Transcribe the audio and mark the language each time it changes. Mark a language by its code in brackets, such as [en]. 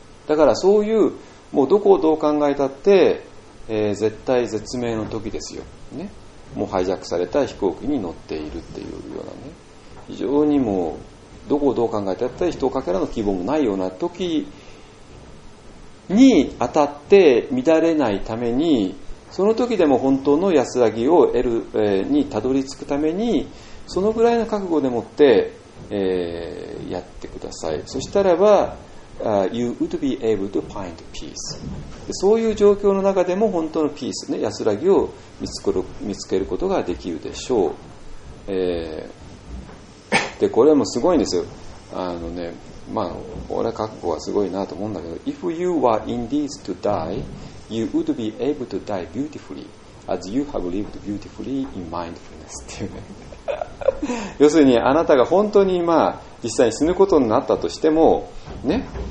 [ja] だからそういうもうどこをどう考えたって、絶対絶命の時ですよ、ね、もうハイジャックされた飛行機に乗っているっていうようなね、非常にもうどこをどう考えたって人をかけらの希望もないような時に当たって乱れないために、その時でも本当の安らぎを得る、にたどり着くために、そのぐらいの覚悟でもって、やってください。そしたらば [en] You would be able to find peace。 [ja] でそういう状況の中でも本当のピース、ね、安らぎを見つけることができるでしょう、でこれもすごいんですよ。あの、ねまあ、俺は覚悟はすごいなと思うんだけど、 [en] If you were indeed to die, you would be able to die beautifully as you have lived beautifully in mindfulness [ja] っていう、ね、要するにあなたが本当に今実際に死ぬことになったとしても、ね